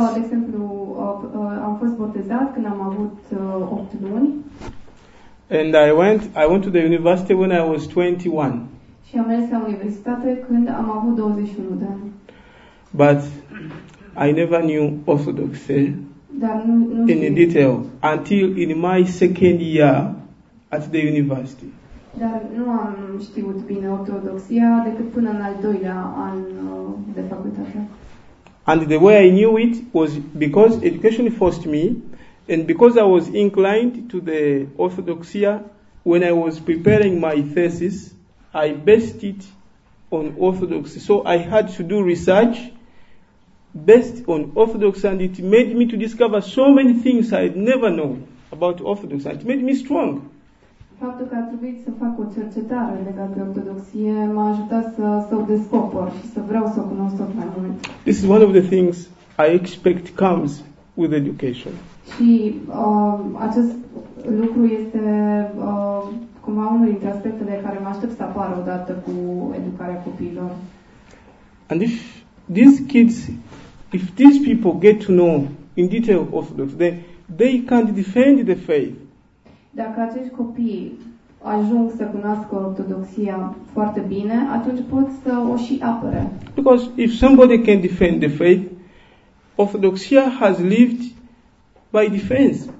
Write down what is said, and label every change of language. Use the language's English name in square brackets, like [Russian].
[Romanian] De exemplu, am fost botezat când am avut 8 luni. [English] And I went to the university when I was 21. [Romanian] Și am mers la universitate când am avut 21 de ani. [English] But I never knew Orthodoxy. [Romanian] Dar nu [English] in detail, until in my second year at the university. [Romanian] Dar nu am știut bine ortodoxia decât până în al doilea an de facultate. [English] And the way I knew it was because education forced me, and because I was inclined to the ortodoxia, when I was preparing my thesis, I based it on orthodoxy. So I had to do research based on Orthodox, and it made me to discover so many things I had never known about Orthodox, and it made me strong. [Romanian] Faptul că a trebuit să fac o cercetare legată de ortodoxie m-a ajutat să o descoper și să vreau să o cunosc tot mai mult. [English] This is one of the things I expect comes with education. [Romanian] Și acest lucru este cumva unul dintre aspectele care mă aștept să apară odată cu educarea copiilor. [English] And if these kids, if these people get to know in detail Orthodox, they can defend the faith. [Romanian] Dacă acești copii ajung să cunoască ortodoxia foarte bine, atunci pot să o și apere. [English] Because if somebody can defend the faith, Orthodoxia has lived by defense.